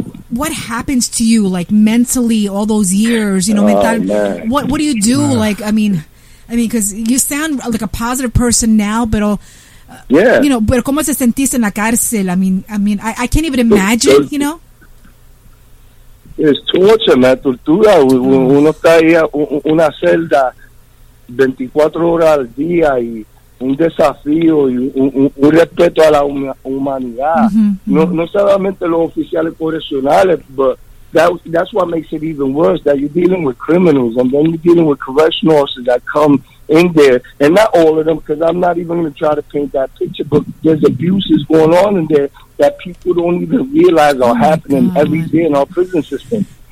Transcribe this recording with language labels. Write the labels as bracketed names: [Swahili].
[English] What happens to you, like, mentally all those years? You know, what do you do? Like, I mean, because you sound like a positive person now, but, you know, [Spanish] pero ¿cómo se sentiste en la cárcel? [English] I mean, I can't even imagine, you know? It's torture, man. [Spanish] Tortura. Uno está ahí en una celda 24 horas al día y un desafío y un respeto a la humanidad. Mm-hmm. No solamente los oficiales correccionales, [English] but that's what makes it even worse, that you're dealing with criminals, and then you're dealing with correctional officers that come in there, and not all of them, because I'm not even going to try to paint that picture, but there's abuses going on in there that people don't even realize are happening every day in our prison system.